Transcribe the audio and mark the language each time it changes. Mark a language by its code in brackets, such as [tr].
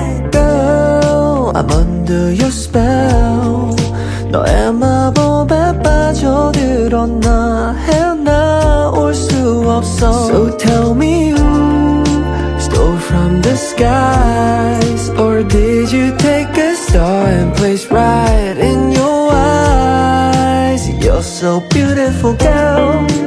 [en] Girl, I'm under your spell. [ko] 너의 마법에 빠져들어 나 헤어나올 수 없어. [en] So tell me who stole from the skies. Or did you take a star and place right in your eyes? You're so beautiful, girl.